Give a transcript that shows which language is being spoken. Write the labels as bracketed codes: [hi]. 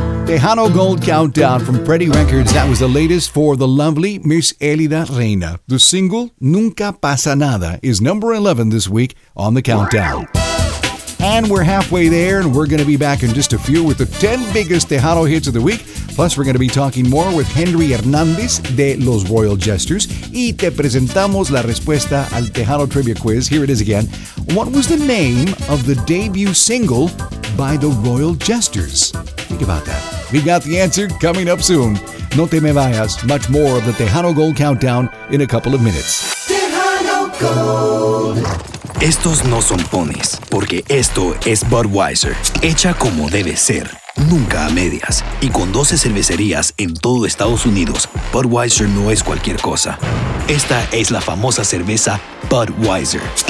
[en] Tejano Gold Countdown from Freddy Records. That was the latest for the lovely Miss Elida Reina. The single, Nunca Pasa Nada, is number 11 this week on the countdown. And we're halfway there, and we're going to be back in just a few with the 10 biggest Tejano hits of the week. Plus, we're going to be talking more with Henry Hernandez de Los Royal Jesters. [es] Y te presentamos la respuesta al Tejano Trivia Quiz. [en] Here it is again. What was the name of the debut single by the Royal Jesters? Think about that. We got the answer coming up soon. [es] No te me vayas. [en] Much more of the Tejano Gold Countdown in a couple of minutes. Tejano Gold. [es] Estos no son ponis, porque esto es Budweiser, hecha como debe ser, nunca a medias. Y con 12 cervecerías en todo Estados Unidos, Budweiser no es cualquier cosa. Esta es la famosa cerveza Budweiser.